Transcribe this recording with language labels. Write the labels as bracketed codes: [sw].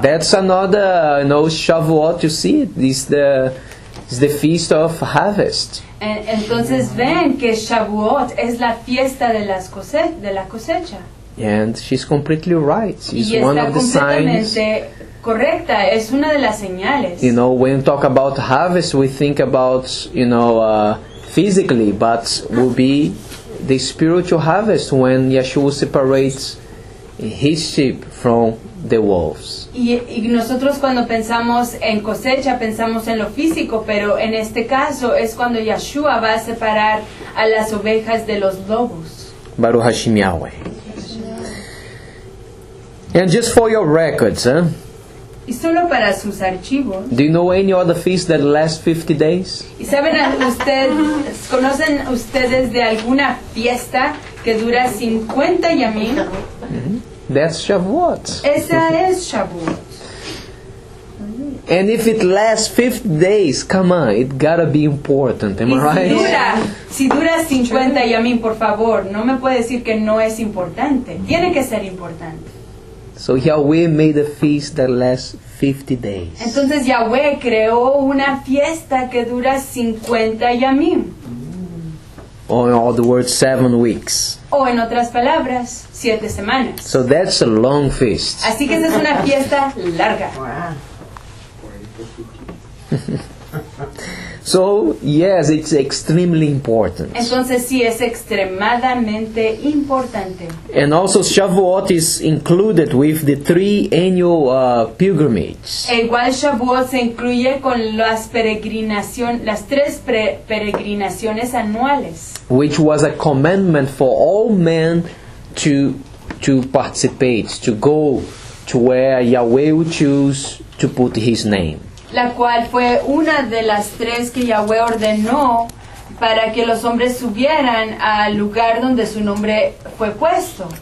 [en] That's another, you know, Shavuot, you see it. It's the feast of harvest. [es] Entonces ven que Shavuot es la fiesta de las de la cosecha. [en] And she's completely right. She's one of the signs. [es] Correcta, es una de las señales. [en] You know, when we talk about harvest, we think about, you know, physically, but will be the spiritual harvest when Yeshua separates his sheep from the wolves. [es] Y nosotros cuando pensamos en cosecha, pensamos en lo físico, pero en este caso es cuando Yeshua va a separar a las ovejas de los lobos. [he] Baruch Hashem Yahweh. [en] And just for your records, [es] y solo para sus archivos. [en] Do you know any other feast that lasts 50 days? [es] ¿Y saben ustedes, conocen ustedes de alguna fiesta que dura 50 yamim? Mm-hmm. [en] That's Shavuot. [es] Esa es Shavuot. [en] And if it lasts 50 days, come on, it gotta be important, am I right? [es] Si dura 50 yamim, por favor, no me puede decir que no es importante. Tiene que ser importante. [en] So Yahweh made a feast that lasts 50 days. [es] Entonces Yahweh creó una fiesta que dura 50 yamim. [en] Or in other words, 7 weeks. [es] O en otras palabras, 7 semanas. [en] So that's a long feast. [es] Así que esa es una fiesta larga. [en] So yes, it's extremely important. [es] Entonces sí, es extremadamente importante. [en] And also Shavuot is included with the 3 annual pilgrimages. [es] E igual Shavuot se incluye con las tres peregrinaciones anuales. [en] Which was a commandment for all men to participate, to go to where Yahweh would choose to put his name. [es] La cual fue una de las tres que Yahweh ordenó para que los hombres subieran al lugar donde su nombre fue puesto.